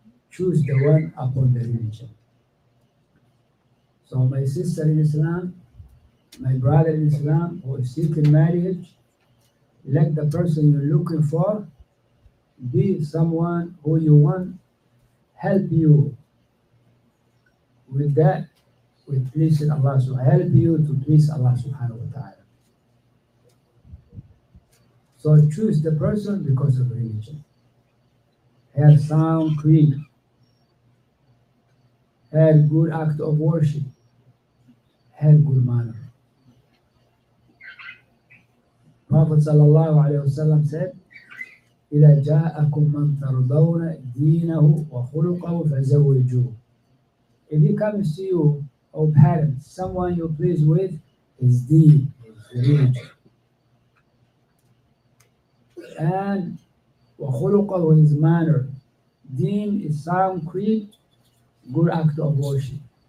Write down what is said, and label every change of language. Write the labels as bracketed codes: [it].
[en] Choose the one upon the religion. So my sister in Islam, my brother in Islam who is seeking marriage, let the person you're looking for be someone who you want help you with that, with pleasing Allah, so help you to please Allah subhanahu wa ta'ala. So choose the person because of religion, her sound creed, her good act of worship, her good manner. [ar] Prophet sallallahu alayhi wa sallam said, إِذَا جَاءَكُمْ مَنْ تَرْضَوْنَ دِينَهُ وَخُلُقَهُ فَزَوِّجُوهُ. [en] If he comes to you, O parents, someone you please with his deen, his religion, and وَخُلُقَهُ his manner. Deen is sound creed, good act of worship.